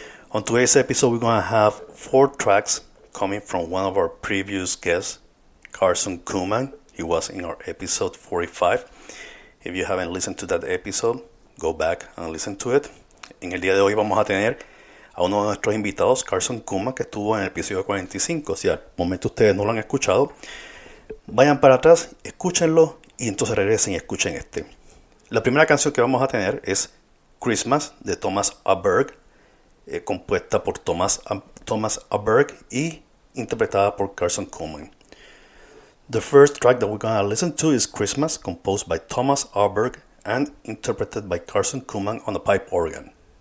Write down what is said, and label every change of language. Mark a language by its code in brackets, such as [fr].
[en] On today's episode, we're going to have four tracks coming from one of our previous guests, Carson Kuman. He was in our episode 45. If you haven't listened to that episode, go back and listen to it. [es] En el día de hoy vamos a tener a uno de nuestros invitados, Carson Kuma, que estuvo en el episodio 45. Si al momento ustedes no lo han escuchado, vayan para atrás, escúchenlo y entonces regresen y escuchen este. La primera canción que vamos a tener es Christmas de Thomas Aberg, compuesta por Thomas Aberg y interpretada por Carson Kuma. [en] The first track that we're going to listen to is Christmas, composed by Thomas Aberg and interpreted by Carson Kuman on a pipe organ.